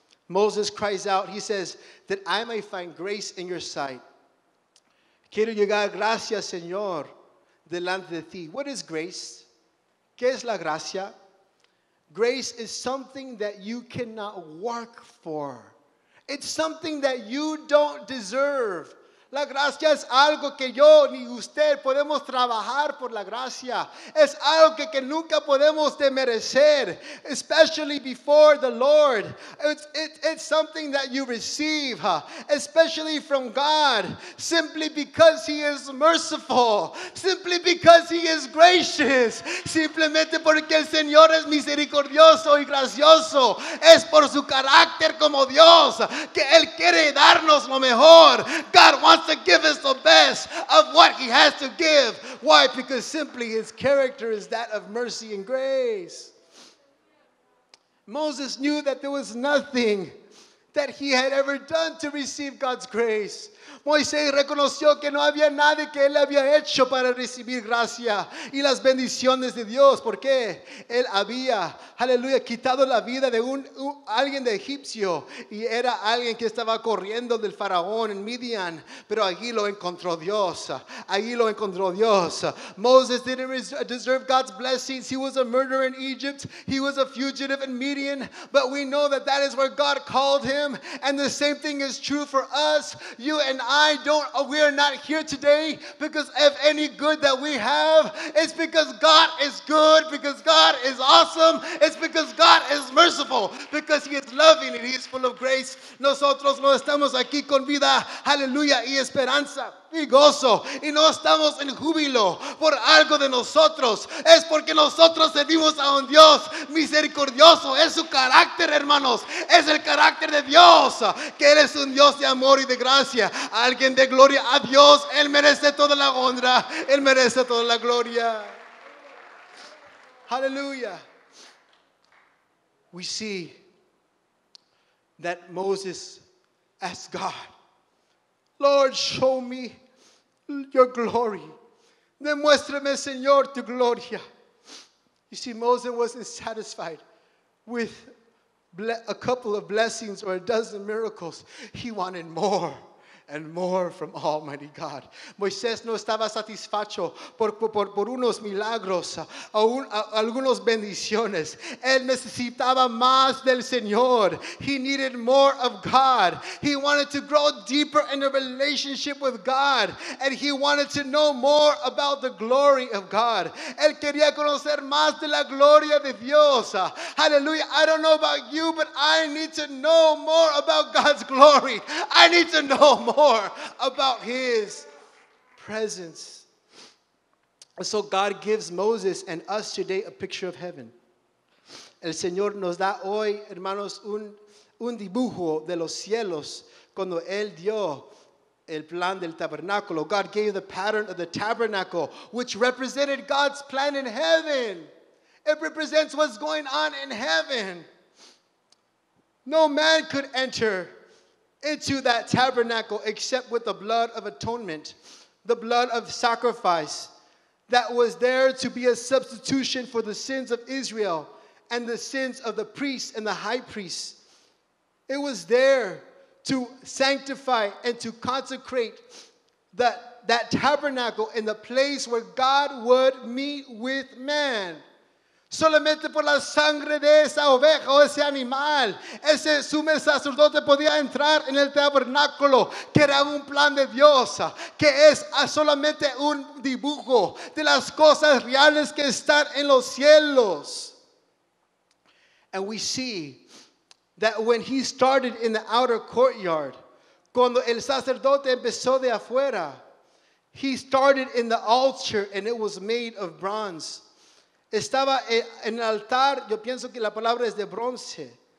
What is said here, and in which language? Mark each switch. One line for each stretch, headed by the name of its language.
English: Moses cries out, he says, that I may find grace in your sight.
Spanish: Quiero llegar gracias, Señor, delante de ti.
English: What is grace?
Spanish: ¿Qué es la gracia?
English: Grace is something that you cannot work for. It's something that you don't deserve.
Spanish: La gracia es algo que yo ni usted podemos trabajar por la gracia. Es algo que nunca podemos demerecer,
English: especially before the Lord. It's something that you receive, especially from God, simply because he is merciful, simply because he is gracious.
Spanish: Simplemente porque el Señor es misericordioso y gracioso. Es por su carácter como Dios que él quiere darnos lo mejor.
English: God wants to give us the best of what he has to give. Why? Because simply his character is that of mercy and grace. Moses knew that there was nothing that he had ever done to receive God's grace.
Spanish: Moisés reconoció que no había nada que él había hecho para recibir gracia y las bendiciones de Dios. ¿Por qué? Él había, aleluya, quitado la vida de alguien de Egipcio y era alguien que estaba corriendo del faraón en Midian. Pero allí lo encontró Dios. Allí lo encontró Dios.
English: Moses didn't deserve God's blessings. He was a murderer in Egypt. He was a fugitive in Midian. But we know that that is where God called him. And the same thing is true for us. You and I don't, we are not here today because of any good that we have. It's because God is good, because God is awesome, it's because God is merciful, because he is loving and he is full of grace.
Spanish: Nosotros no estamos aquí con vida, aleluya, y esperanza y gozo, y no estamos en júbilo por algo de nosotros. Es porque nosotros servimos a un Dios misericordioso. Es su carácter, hermanos, es el carácter de Dios, que él es un Dios de amor y de gracia. Alguien de gloria a Dios. Él merece toda la honra, él merece toda la gloria.
English: Aleluya. We see that Moses asked God, Lord, show me your glory.
Spanish: Demuéstrame, Señor, tu gloria.
English: You see, Moses wasn't satisfied with a couple of blessings or a dozen miracles. He wanted more and more from Almighty God.
Spanish: Moisés no estaba satisfecho por unos milagros, algunos bendiciones. Él necesitaba más del Señor.
English: He needed more of God. He wanted to grow deeper in a relationship with God. And he wanted to know more about the glory of God.
Spanish: Él quería conocer más de la gloria de Dios.
English: Hallelujah. I don't know about you, but I need to know more about God's glory. I need to know more about his presence. So God gives Moses and us today a picture of heaven.
Spanish: El Señor nos da hoy, hermanos, un dibujo de los cielos cuando Él dio el plan del tabernáculo.
English: God gave the pattern of the tabernacle, which represented God's plan in heaven. It represents what's going on in heaven. No man could enter into that tabernacle except with the blood of atonement, the blood of sacrifice that was there to be a substitution for the sins of Israel and the sins of the priests and the high priests. It was there to sanctify and to consecrate that tabernacle in the place where God would meet with man.
Spanish: Solamente por la sangre de esa oveja o ese animal, ese sumo sacerdote podía entrar en el tabernáculo, que era un plan de Dios, que es solamente un dibujo de las cosas reales que están en los cielos.
English: And we see that when he started in the outer courtyard,
Spanish: cuando el sacerdote empezó de afuera,
English: he started in the altar and it was made of bronze.
Spanish: Estaba en el altar, yo pienso que la palabra es de bronce.